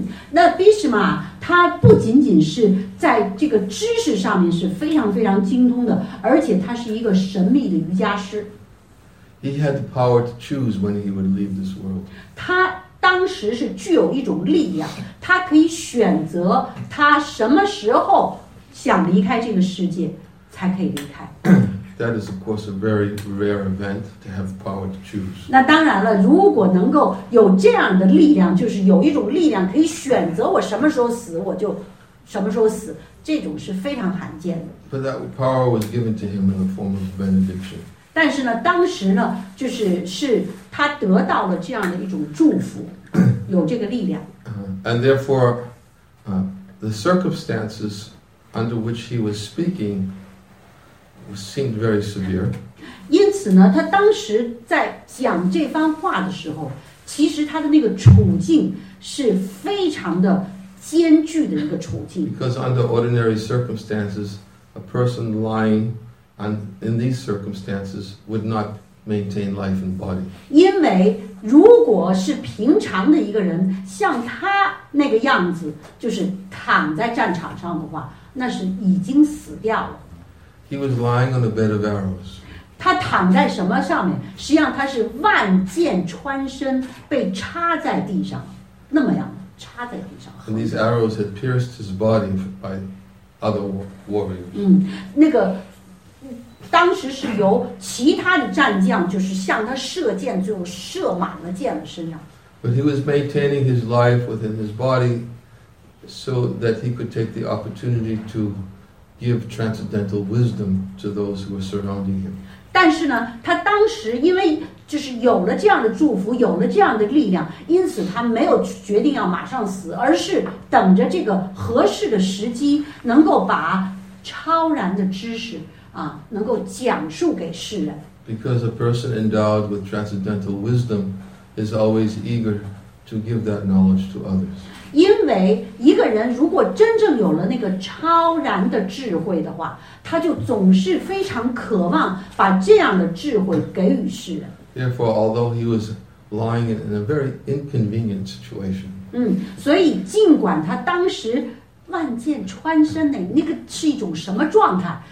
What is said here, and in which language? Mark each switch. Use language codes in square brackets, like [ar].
[zh] 那 Bhishma 他不仅仅是在这个知识上面是非常非常精通的，而且他是一个神秘的瑜伽师。 [en] He had the power to choose when he would leave this world. [zh] 他当时是具有一种力量，他可以选择他什么时候想离开这个世界才可以离开。 [en] That is, of course, a very rare event to have power to choose. [zh] 那当然了，如果能够有这样的力量，就是有一种力量可以选择我什么时候死，我就什么时候死，这种是非常罕见的。 [en] But that power was given to him in the form of benediction. [zh] 但是呢，当时呢，就是是他得到了这样的一种祝福，有这个力量。 [en] And therefore, the circumstances under which he was speaking seemed very severe. [zh] 因此呢，他当时在讲这番话的时候，其实他的那个处境是非常的艰巨的一个处境。 [en] Because under ordinary circumstances, a person lying in these circumstances would not maintain life and body. [zh] 因为如果是平常的一个人，像他那个样子，就是躺在战场上的话，那是已经死掉了。 [en] He was lying on a bed of arrows. [zh] 他躺在什么上面？实际上他是万箭穿身，被插在地上，那么样插在地上。 [en] And these arrows had pierced his body by other warriors. [zh] 那个当时是由其他的战将就是向他射箭，最后射满了箭的身上。 [en] But he was maintaining his life within his body, so that he could take the opportunity to give transcendental wisdom to those who were surrounding him. [zh] 但是呢，他当时因为就是有了这样的祝福，有了这样的力量，因此他没有决定要马上死，而是等着这个合适的时机，能够把超然的知识啊，能够讲述给世人。 [en] Because a person endowed with transcendental wisdom is always eager to give that knowledge to others. [zh] 因为一个人如果真正有了那个超然的智慧的话，他就总是非常渴望把这样的智慧给予世人。 [en] Therefore, although he was lying in a very inconvenient situation. [zh] 所以尽管他当时万箭穿身呢，那个是一种什么状态？